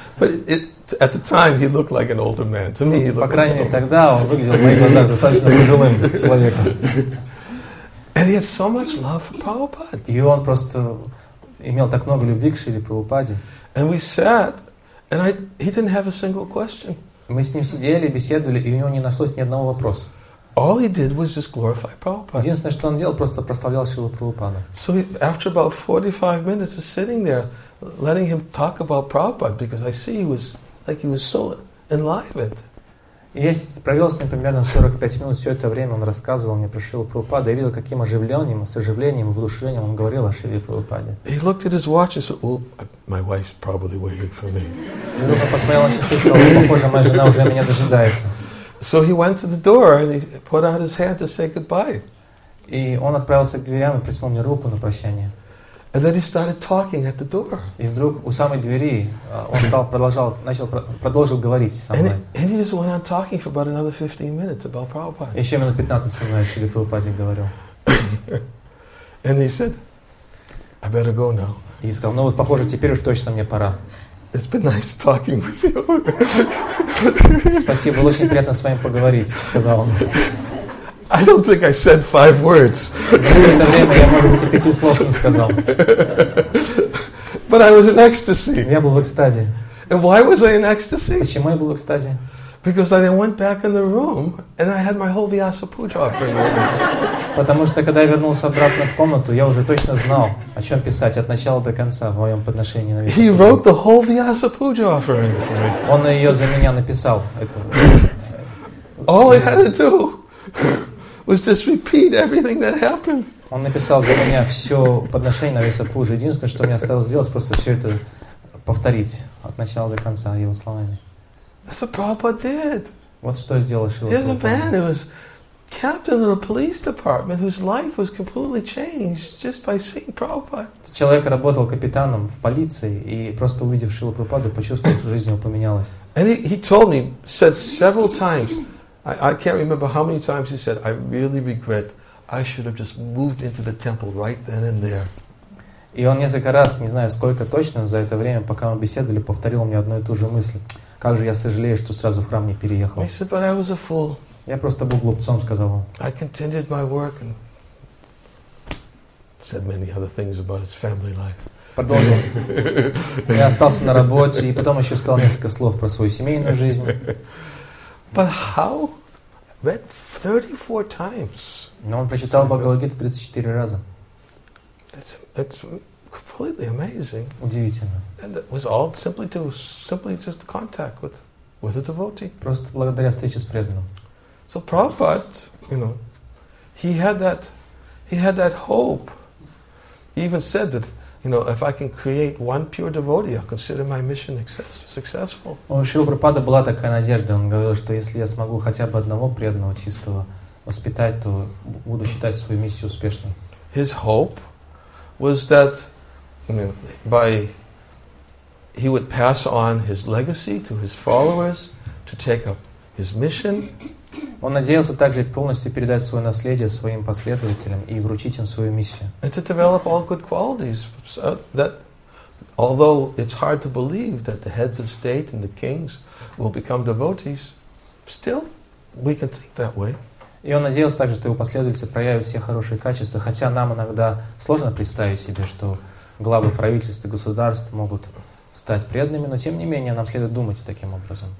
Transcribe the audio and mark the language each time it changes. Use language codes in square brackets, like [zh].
[en] But at the time he looked like an older man. To me, he looked. [ru] По крайней мере, тогда он выглядел в моих глазах достаточно пожилым человеком. [en] And he had so much love for Prabhupada. [ru] И он просто имел так много любви к Шриле Прабхупаде. [en] And we sat, and he didn't have a single question. [ru] Мы с ним сидели, беседовали, и у него не нашлось ни одного вопроса. [en] All he did was just glorify Prabhupada. [ru] Единственное, что он делал, просто прославлял Шрилу Прабхупаду. [en] So after about 45 minutes of sitting there, letting him talk about Prabhupada, because I see he was so enlivened. [ru] Я провел с ним примерно 45 минут, все это время он рассказывал мне про Шрилу Прабхупаду, я видел, каким оживленным, с оживлением и воодушевлением он говорил о Шриле Прабхупаде. [en] He looked at his watch and said, "Oh, my wife's probably waiting for me." [ru] И вдруг он посмотрел на часы и сказал, похоже, моя жена уже меня дожидается. [en] So he went to the door and he put out his hand to say goodbye. [ru] И он отправился к дверям и протянул мне руку на прощание. [en] And then he started talking at the door. [ru] И вдруг у самой двери он продолжил говорить со мной. [en] And he just went on talking for about another 15 minutes about Prabhupada. [ru] Еще минут 15 со мной Шриле Прабхупаде говорил. [en] And he said, "I better go now." [ru] И сказал, ну вот похоже теперь уж точно мне пора. [en] It's been nice talking with you. [ru] Спасибо, было очень приятно с вами поговорить, сказал он. [en] I don't think I said five words. [ru] Это время я, может быть, и пяти слов не сказал. [en] But I was in ecstasy. [ru] Я был в экстазе. [en] And why was I in ecstasy? [ru] Почему я был в экстазе? [en] Because then I went back in the room and I had my whole Vyasa Puja offering. [ru] Потому что когда я вернулся обратно в комнату, я уже точно знал, о чем писать от начала до конца в моем подношении на Vyasa [en] Puja. He wrote the whole Vyasa Puja offering for me. [ru] Он ее за меня написал. Это. [en] All I had to do was just repeat everything that happened. [ru] Он написал за меня все подношение на Vyasa Puja. Единственное, что мне осталось сделать, просто все это повторить от начала до конца его словами. [en] That's what Prabhupada did. [ru] Вот что сделал Шрила Прабхупада. [en] He was a man who was captain of the police department whose life was completely changed just by seeing Prabhupada. [ru] Человек работал капитаном в полиции и просто увидев Шрила Прабхупаду, почувствовал, что жизнь его поменялась. [en] And he told me, said several times, I can't remember how many times he said, I really regret, I should have just moved into the temple right then and there. [ru] И он несколько раз, не знаю сколько точно, за это время, пока мы беседовали, повторил мне одну и ту же мысль. Как же я сожалею, что сразу в храм не переехал. [en] He said, but I was a fool. [ru] Я просто был глупцом, сказал он. [en] I continued my work and said many other things about his family life. [ru] Продолжил. Я остался на работе и потом еще сказал несколько слов про свою семейную жизнь. [en] But how? Read 34 times. [ru] Но он прочитал Бхагавад-гиту 34 раза. [en] That's completely amazing. [ru] Удивительно. [en] And it was all simply just contact with a devotee. [ru] Просто благодаря встрече с преданным. [en] So Prabhupada, you know, he had that hope. He even said that, you know, if I can create one pure devotee, I'll consider my mission successful. [ru] У Шрилы Прабхупады была такая надежда. Он говорил, что если я смогу хотя бы одного преданного чистого воспитать, то буду считать свою миссию успешной. [en] His hope was that, you know, by he would pass on his legacy to his followers to take up his mission. [ru] Он надеялся также полностью передать свое наследие своим последователям и вручить им свою миссию. [en] And to develop all good qualities so that, although it's hard to believe that the heads of state and the kings will become devotees, still we can think that way. [ru] И он надеялся также, что его последователи проявят все хорошие качества, хотя нам иногда сложно представить себе, что главы правительств и государств могут стать преданными, но тем не менее нам следует думать таким образом.